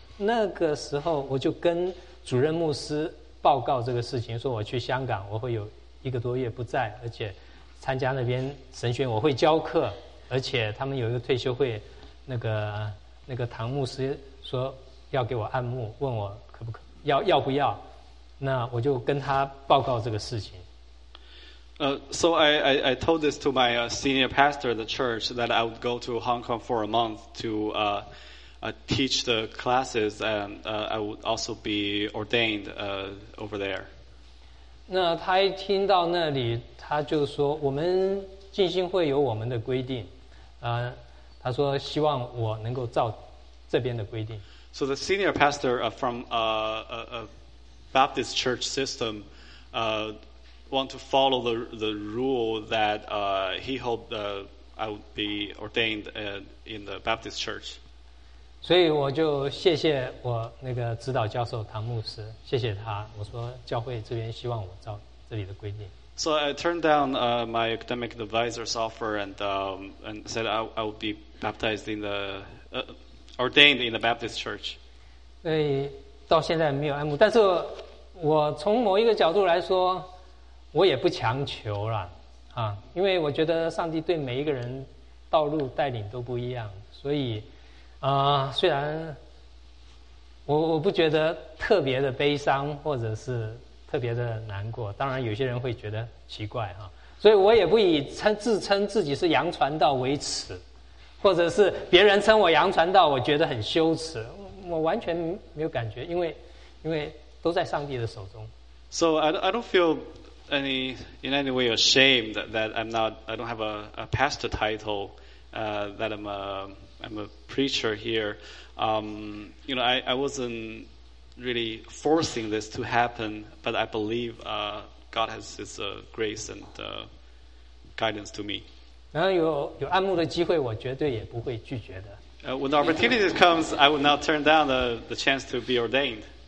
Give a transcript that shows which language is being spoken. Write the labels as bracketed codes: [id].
[zh] 那个时候我就跟主任牧师报告这个事情，说我去香港，我会有一个多月不在，而且参加那边神学我会教课，而且他们有一个退休会，那个唐牧师说要给我按牧，问我可不可要不要，那我就跟他报告这个事情。 [en] So I told this to my senior pastor at the church that I would go to Hong Kong for a month to teach the classes and I would also be ordained over there. [zh] 那他一听到那里，他就说我们浸信会有我们的规定，他说希望我能够照这边的规定。 [en] So the senior pastor from a Baptist church system. Want to follow the rule that he hoped I would be ordained in the Baptist church. [zh] 所以我就谢谢我那个指导教授唐牧师，谢谢他。我说教会这边希望我照这里的规定。 [en] So I turned down my academic advisor's offer and said I would be baptized in the ordained in the Baptist church. [zh] 所以到现在没有按牧，但是我从某一个角度来说。我也不强求了啊，因为我觉得上帝对每一个人道路带领都不一样，所以虽然我不觉得特别的悲伤或者是特别的难过，当然有些人会觉得奇怪啊，所以我也不以自称自己是洋传道为耻，或者是别人称我洋传道我觉得很羞耻，我完全没有感觉，因为都在上帝的手中。 [en] So I don't feel in any way ashamed that I don't have a pastor title, that I'm a preacher here. You know, I wasn't really forcing this to happen, but I believe God has His grace and guidance to me. [zh] 然后有按牧的机会，我绝对也不会拒绝的。 [en] When the opportunity comes, I would not turn down the chance to be ordained.